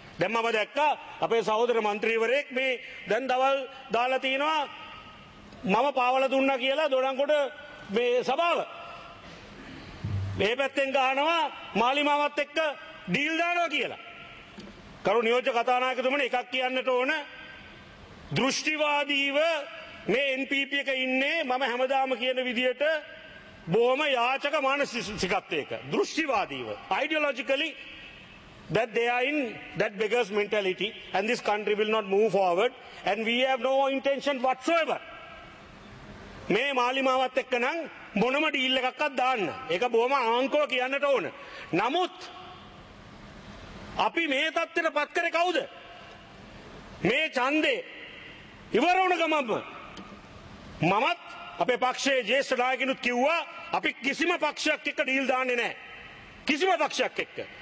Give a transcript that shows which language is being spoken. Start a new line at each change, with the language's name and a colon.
Sinhala: දැන් මම දැක්කා අපේ සහෝදර මන්ත්‍රීවරයෙක් මේ දැන් දවල් දාලා තිනවා මම පාවල දුන්නා කියලා දොඩංගොඩ මේ සභාව. මේ පැත්තෙන් ගහනවා මාලිමාවත් එක්ක ඩීල් දානවා කියලා. කරු නියෝජ්‍ය කතානායකතුමනි, එකක් කියන්නට ඕන, දෘෂ්ටිවාදීව මේ NPP එක ඉන්නේ මම හැමදාම කියන විදියට බොහොම යාචක මානසිකත්වයක, දෘෂ්ටිවාදීව,
English: ideologically that they are in that beggar's mentality and this country will not move forward and we have no intention whatsoever.
Sinhala: මේ මාලිමාවත් එක්ක නම් මොනම ඩීල් එකක්වත් දාන්න, ඒක බොහොම ආංකව කියන්නට ඕන. නමුත් අපි මේ තත්ත්වයට පත් කරේ කවුද? මේ ඡන්දේ ඉවර වුණ ගමන් මමත් අපේ පක්ෂයේ ජ්‍යෙෂ්ඨ නායකිනුත් කිව්වා අපි කිසිම පක්ෂයක් එක්ක ඩීල් දාන්නේ නැහැ, කිසිම පක්ෂයක් එක්ක.